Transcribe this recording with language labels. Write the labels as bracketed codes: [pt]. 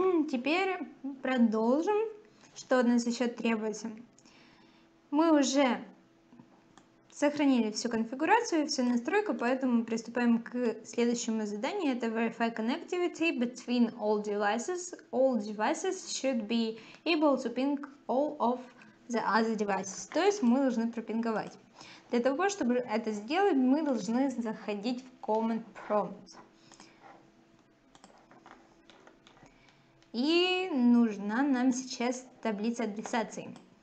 [ru] Теперь продолжим. Что от нас еще требуется? Мы уже сохранили всю конфигурацию и всю настройку, поэтому приступаем к следующему заданию. Это [en] Verify connectivity between all devices. All devices should be able to ping all of the other devices. [ru] То есть мы должны пропинговать. Для того, чтобы это сделать, мы должны заходить в command prompt. И нужна нам сейчас таблица адресации.